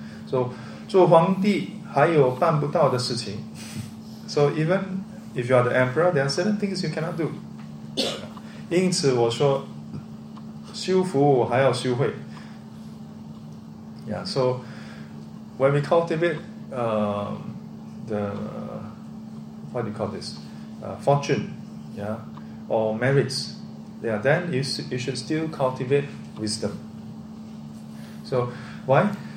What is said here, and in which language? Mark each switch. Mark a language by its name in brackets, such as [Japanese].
[Chinese] So, 做皇帝还有办不到的事情。 [English] So even if you are the emperor, there are certain things you cannot do. [Chinese] 因此我说，修福还要修慧。 [English] Yeah. So, when we cultivate, what do you call this? Fortune, yeah, or merits, yeah. Then you should still cultivate wisdom. So, why?